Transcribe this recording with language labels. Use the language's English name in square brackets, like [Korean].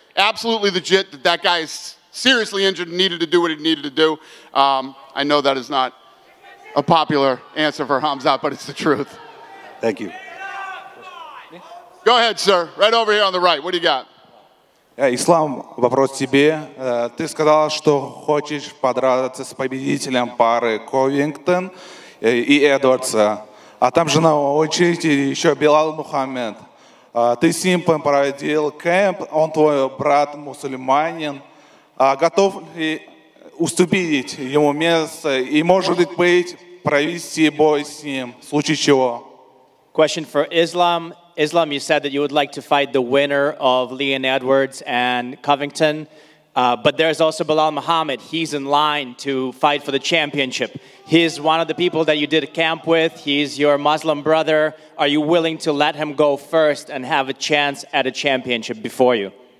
[English] Absolutely legit that guy is seriously injured and needed to do what he needed to do. I know that is not a popular answer for Khamzat, but it's the truth. Thank you. Go ahead, sir. Right over here on the right. What do you got? [Russian] Ислам, вопрос тебе. Ты сказал, что хочешь подраться с победителем пары Ковингтон и Эдвардса. А там же на очереди еще Билал Мухаммед. Ты с ним проводил кэмп, он твой брат мусульманин. Готов ли уступить ему место и, может быть, провести бой с ним, в случае чего? [English] Question for Islam. Islam, you said that you would like to fight the winner of Leon Edwards and Covington, but there's also Bilal Muhammad. He's in line to fight for the championship. He's one of the people that you did a camp with. He's your Muslim brother. Are you willing to let him go first and have a chance at a championship before you?